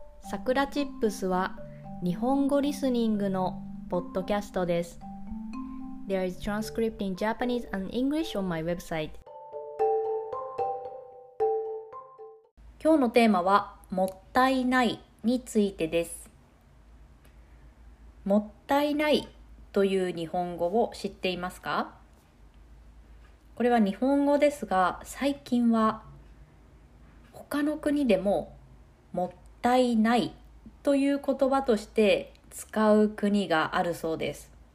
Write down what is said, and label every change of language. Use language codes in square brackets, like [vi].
[ja] さくらチップスは日本語リスニングのポッドキャストです。 [en] There is transcript in Japanese and English on my website。 [ja] 今日のテーマはもったいないについてです。もったいないという日本語を知っていますか？これは日本語ですが、最近は他の国でももったいないという言葉として使う国があるそうです。